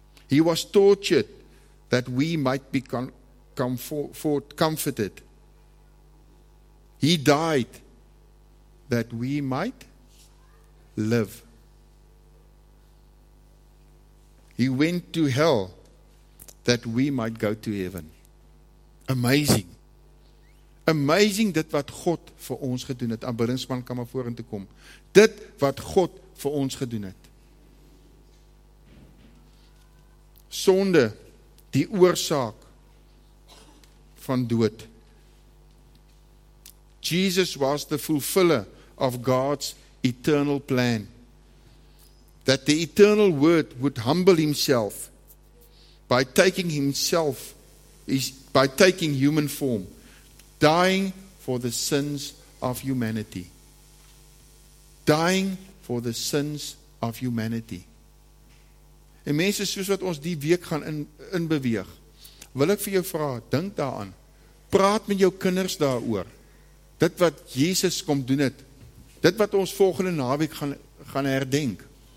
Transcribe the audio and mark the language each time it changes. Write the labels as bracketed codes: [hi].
[en] He was tortured, that we might be comforted. He died, that we might live. He went to hell, that we might go to heaven. Amazing. [af] Amazing dit wat God vir ons gedoen het. Aanbiddingsman kan maar vorentoe kom. Dit wat God vir ons gedoen het. Sonde, die oorsaak van dood. [en] Jesus was the fulfiller of God's eternal plan. That the eternal Word would humble Himself by taking Himself, by taking human form, dying for the sins of humanity. Dying for the sins of humanity. [af] En mense, soos wat ons die week gaan inbeweeg, wil ek vir jou vra, dink daaraan. Praat met jou kinders daaroor. Dit wat Jesus kom doen het. Dit wat ons volgende naweek gaan herdenk.